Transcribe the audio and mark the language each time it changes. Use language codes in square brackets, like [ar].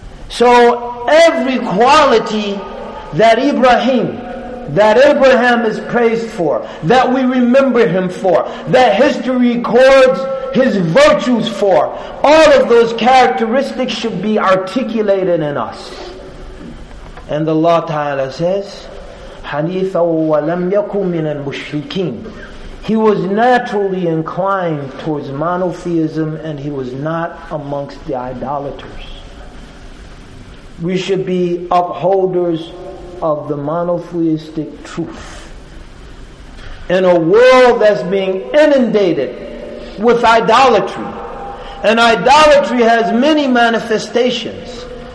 [en] So every quality that Abraham is praised for, that we remember him for, that history records his virtues for, all of those characteristics should be articulated in us. And Allah Ta'ala says, [ar] حَنِيفًا وَلَمْ يَكُمْ مِنَ الْمُشْرِكِينَ. [en] He was naturally inclined towards monotheism and he was not amongst the idolaters. We should be upholders of the monotheistic truth. In a world that's being inundated with idolatry, and idolatry has many manifestations.